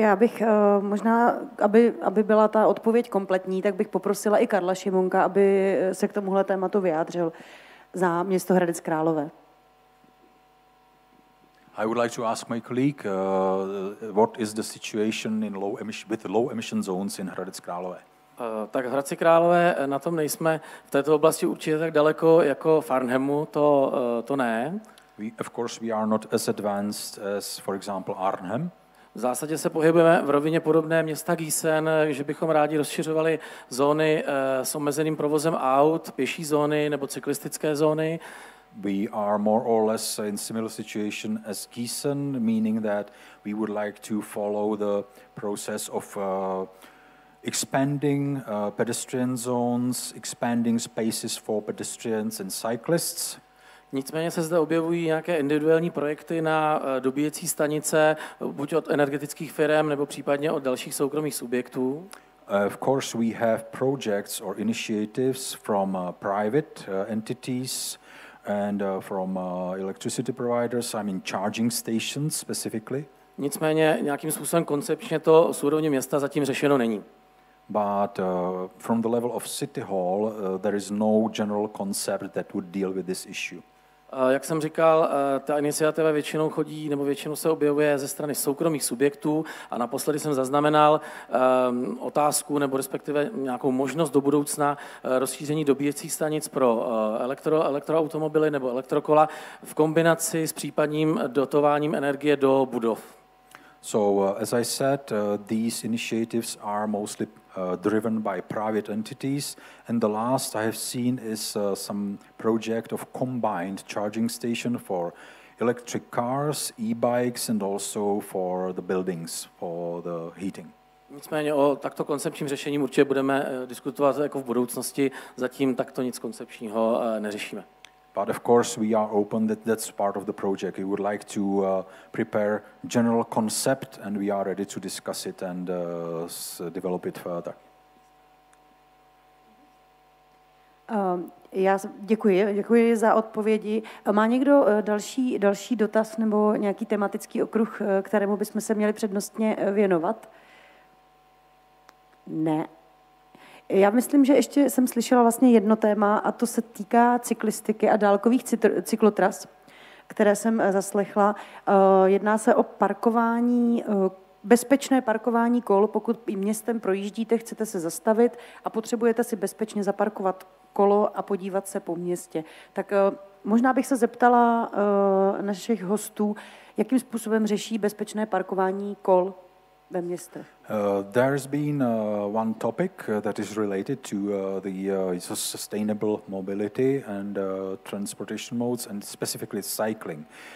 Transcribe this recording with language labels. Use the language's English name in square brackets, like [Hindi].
[Czech] Já bych možná, aby byla ta odpověď kompletní, tak bych poprosila i Karla Šimonka, aby se k tomuhle tématu vyjádřil za město Hradec Králové. [English] I would like to ask my colleague, what is the situation in low emission, with low emission zones in Hradec Králové? [Czech] Tak v Hradci Králové na tom nejsme v této oblasti určitě tak daleko jako v Arnhemu, to ne. [English] We, of course, we are not as advanced as, for example, Arnhem. [Czech] V zásadě se pohybujeme v rovině podobné města Gießen, že bychom rádi rozšiřovali zóny s omezeným provozem aut, pěší zóny nebo cyklistické zóny. [English] We are more or less in similar situation as Gießen, meaning that we would like to follow the process of expanding pedestrian zones, expanding spaces for pedestrians and cyclists. [Czech] Nicméně se zde objevují nějaké individuální projekty na dobíjecí stanice, buď od energetických firem nebo případně od dalších soukromých subjektů. [English] Of course we have projects or initiatives from private entities and from electricity providers, I mean charging stations specifically. [Czech] Nicméně nějakým způsobem koncepčně to s úrovně města zatím řešeno není. [English] But from the level of City Hall there is no general concept that would deal with this issue. [Czech] Jak jsem říkal, ta iniciativa většinou chodí nebo většinou se objevuje ze strany soukromých subjektů a naposledy jsem zaznamenal otázku nebo respektive nějakou možnost do budoucna rozšíření dobíjecích stanic pro elektroautomobily nebo elektrokola v kombinaci s případným dotováním energie do budov. [English] So as I said, these initiatives are mostly driven by private entities, and the last I have seen is some project of combined charging station for electric cars, e-bikes, and also for the buildings for the heating. [Czech] Nicméně o takto koncepčním řešení určitě budeme diskutovat jako v budoucnosti. Zatím takto nic koncepčního neřešíme. [English] But of course we are open that that's part of the project. We would like to prepare general concept and we are ready to discuss it and develop it further. [Czech] Já děkuji za odpovědi. Má někdo další dotaz nebo nějaký tematický okruh, kterému bychom se měli přednostně věnovat? Ne. Já myslím, že ještě jsem slyšela vlastně jedno téma a to se týká cyklistiky a dálkových cyklotras, které jsem zaslechla. Jedná se o parkování, bezpečné parkování kol, pokud městem projíždíte, chcete se zastavit a potřebujete si bezpečně zaparkovat kolo a podívat se po městě. Tak možná bych se zeptala našich hostů, jakým způsobem řeší bezpečné parkování kol. [English] There's been one topic that is related to the sustainable mobility and transportation modes, and specifically cycling.